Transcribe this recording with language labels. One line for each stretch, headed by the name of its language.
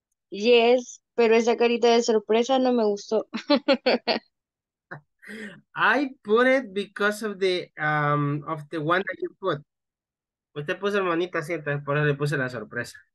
Spanish: Yes, pero esa carita de sorpresa no me gustó.
English: I put it because of the one that you put.
Spanish: Usted puso el manita así, entonces por eso le puse la sorpresa.